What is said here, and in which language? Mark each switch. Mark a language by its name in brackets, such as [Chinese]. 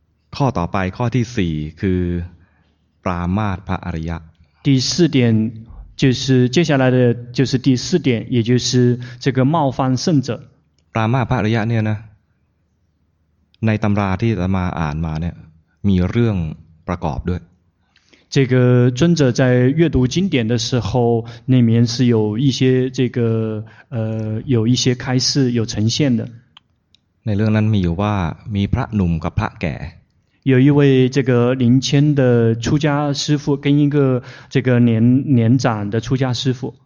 [Thai] ข้อต่อไปข้อที่4คือปรามาสพระอริยะ [Chinese] 第四点就是接下来的就是第四点也就是这个冒犯圣者 [Thai] ปรามาสพระอริยะเนี่ยนะในตำราที่อาตมาอ่านมาเนี่ยมีเรื่องประกอบด้วย [Chinese] 这个尊者在阅读经典的时候，那面是有一些这个有一些开示有呈现的。 [Thai] ในเรื่องนั้นมีอยู่ว่ามีพระหนุ่มกับพระแก่。 [Chinese] 有一位这个临迁的出家师父跟一个这个年长的出家师父。